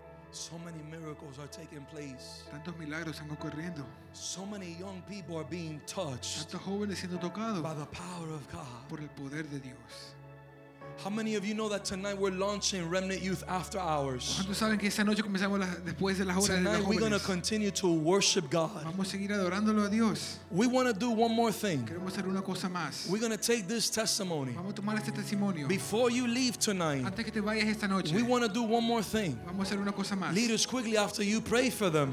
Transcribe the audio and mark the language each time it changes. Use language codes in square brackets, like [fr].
[en] So many miracles are taking place. [es] Tantos milagros están ocurriendo. [en] So many young people are being touched. [es] Tantos jóvenes siendo tocados. [en] By the power of God. [es] Por el poder de Dios. [en] How many of you know that tonight we're launching Remnant Youth After Hours? [es] ¿Cuántos saben que esta noche comenzamos después de las horas de los jóvenes? [en] Tonight we're going to continue to worship God. [es] Vamos a seguir adorándolo a Dios. [en] We want to do one more thing. [es] Queremos hacer una cosa más. [en] We're going to take this testimony. [es] Vamos a tomar este testimonio. [en] Before you leave tonight. [es] Antes que te vayas esta noche. [en] We want to do one more thing. [es] Vamos a hacer una cosa más. [en] Leaders, quickly after you pray for them.